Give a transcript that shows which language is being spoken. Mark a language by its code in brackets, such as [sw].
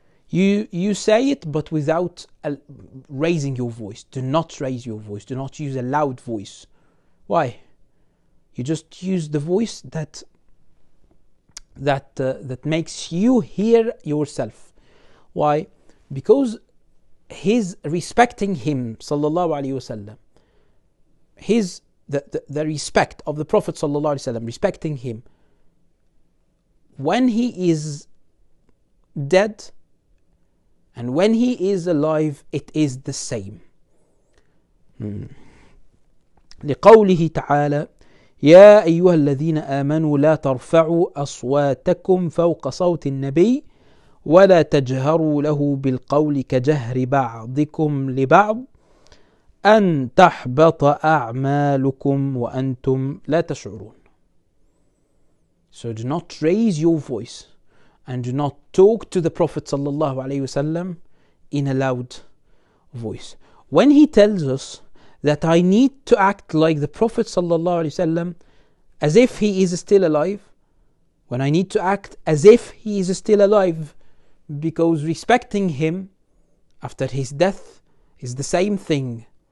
[en] You say it, but without raising your voice. Do not raise your voice. Do not use a loud voice. Why? You just use the voice that makes you hear yourself. Why? Because his respecting him sallallahu alaihi wasallam, his the respect of the Prophet sallallahu alaihi wasallam, respecting him when he is dead and when he is alive, it is the same. [ar] لقوله تعالى يا ايها الذين امنوا لا ترفعوا اصواتكم فوق صوت النبي ولا تجهروا له بالقول كجهر بعضكم لبعض أن تحبط أعمالكم وأنتم لا تشعرون. [en] So do not raise your voice and do not talk to the Prophet صلى الله عليه وسلم in a loud voice. When he tells us that I need to act like the Prophet صلى الله عليه وسلم as if he is still alive, when I need to act as if he is still alive, because respecting him after his death is the same thing.